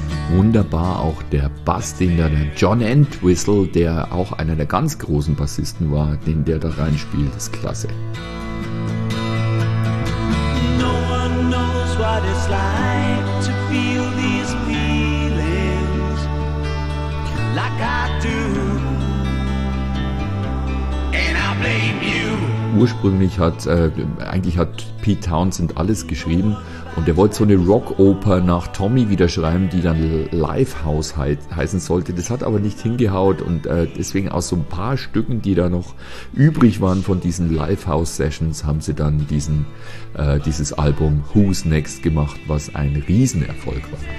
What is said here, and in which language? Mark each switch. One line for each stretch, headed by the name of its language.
German: wunderbar, auch der Bass, den da der John Entwistle, der auch einer der ganz großen Bassisten war, den der da reinspielt, ist klasse.
English: No one knows what it's like to feel these feelings like I do. And I blame you.
German: Ursprünglich hat, eigentlich hat Pete Townsend alles geschrieben und er wollte so eine Rockoper nach Tommy wieder schreiben, die dann Live House heißen sollte. Das hat aber nicht hingehaut und deswegen aus so ein paar Stücken, die da noch übrig waren von diesen Live House Sessions, haben sie dann dieses Album Who's Next gemacht, was ein Riesenerfolg war.